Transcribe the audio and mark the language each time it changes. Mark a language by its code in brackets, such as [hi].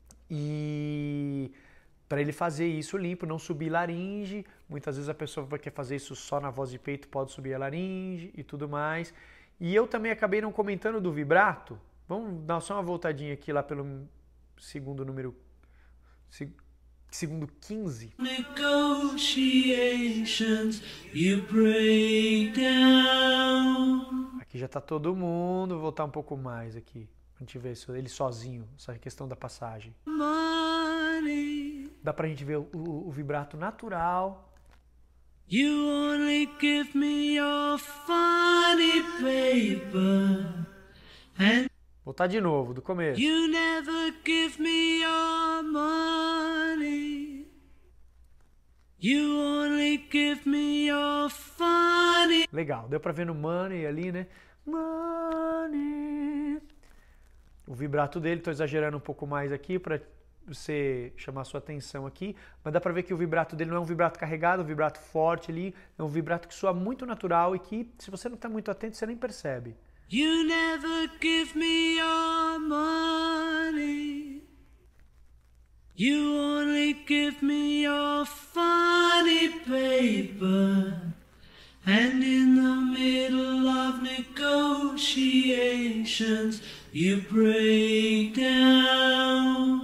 [pt] E para ele fazer isso limpo, não subir laringe. Muitas vezes a pessoa quer fazer isso só na voz de peito, pode subir a laringe e tudo mais. E eu também acabei não comentando do vibrato. Vamos dar só uma voltadinha aqui lá pelo segundo número. Segundo 15. [en] Negotiations, you break down. [pt] Aqui já tá todo mundo. Vou voltar um pouco mais aqui. Pra gente ver isso, ele sozinho, essa questão da passagem. [en] Money. [pt] Dá pra gente ver o vibrato natural. [en] You only give me your funny paper. And [pt] voltar de novo, do começo. [en] You never give me your money. You only give me your funny. [pt] Legal, deu pra ver no money ali, né? [en] Money. [pt] O vibrato dele, tô exagerando um pouco mais aqui para você chamar sua atenção aqui, mas dá para ver que o vibrato dele não é um vibrato carregado, um vibrato forte ali, é um vibrato que soa muito natural e que, se você não tá muito atento, você nem percebe. [en] You never give me your money. You only give me your funny paper. And in the middle of negotiations, you break down.